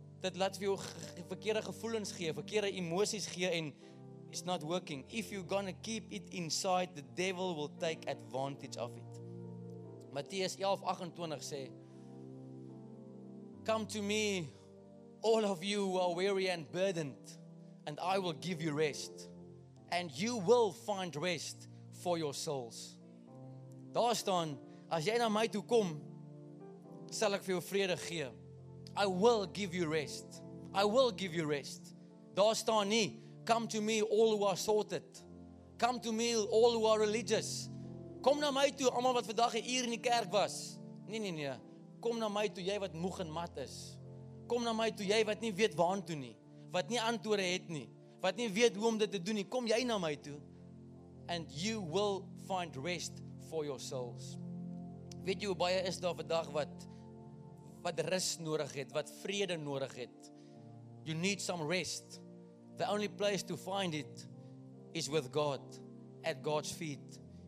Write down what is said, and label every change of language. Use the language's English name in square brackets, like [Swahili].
[Afrikaans] Dit laat vir jou verkeerde gevoelens gee, verkeerde emoties gee, en [English] it's not working. If you're gonna keep it inside, the devil will take advantage of it. [Afrikaans] Matteus 11:28 sê, [English] Come to me, all of you who are weary and burdened, and I will give you rest. And you will find rest for your souls. [Afrikaans] Daar staan, as jy na my toe kom, sal ek vir jou vrede gee. [English] I will give you rest. I will give you rest. [Afrikaans] Daar staan nie, [English] come to me all who are sorted. Come to me all who are religious. [Afrikaans] Kom na my toe, allemaal wat vandag hier in die kerk was. Nee, kom na my toe jy wat moeg en mat is. Kom na my toe jy wat nie weet waantoe nie, wat nie antwoorde het nie, wat nie weet hoe om dit te doen nie. Kom jy na my toe [English] and you will find rest for your souls. [Afrikaans] Weet jy hoe baie is daar vandag wat rus nodig het, wat vrede nodig het? [English] You need some rest. The only place to find it is with God, at God's feet.